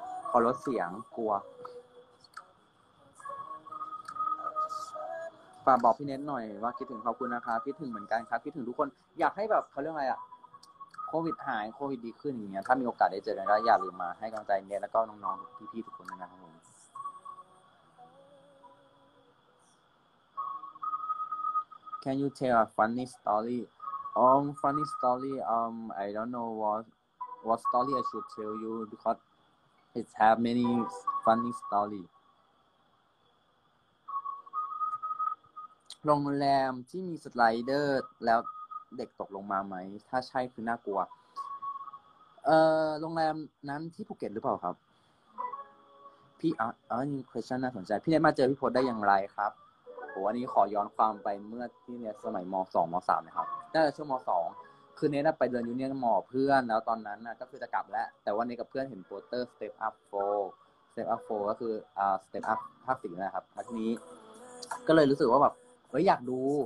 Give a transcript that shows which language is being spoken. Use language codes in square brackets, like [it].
[th] ขอลดเสียงกลัวฝากบอกพี่เน็ตหน่อยว่าคิดถึงขอบคุณนะคะคิดถึงเหมือนกันครับคิดถึงทุกคนอยากให้แบบเขาเรื่องอะไรอ่ะโควิดหายโควิดดีขึ้นอย่างเงี้ยถ้ามีโอกาสได้เจอกันก็อย่าลืมมาให้กำลังใจเน็ตแล้วก็น้องๆพี่ๆทุกคนนะครับผม [en] Can you tell a funny story? Funny story. I don't know what story I should tell you because it's have many funny story. [th] โรงแรมที่มีสไลเดอร์แล้วเด็กตกลงมาไหมถ้าใช่คือน่ากลัวโรงแรมนั้นที่ภูเก็ตหรือเปล่าครับ พี่นี่ question น่าสนใจพี่เนทมาเจอพี่โพสได้อย่างไรครับโหอันนี้ขอย้อนความไปเมื่อที่เนี่ยสมัยม.2 ม.3 นะครับน่าจะช่วงม.2 คือเนทไปเดินยูเนี่ยนมอเพื่อนแล้วตอนนั้นน่ะก็คือจะกลับแล้วแต่ว่าเนทกับเพื่อนเห็นโปสเตอร์ Step Up 4 Step Up 4ก็คือStep Up ภาค4นะครับทีนี้ก็เลยรู้สึกว่าแบบเฮ้ยอยากดู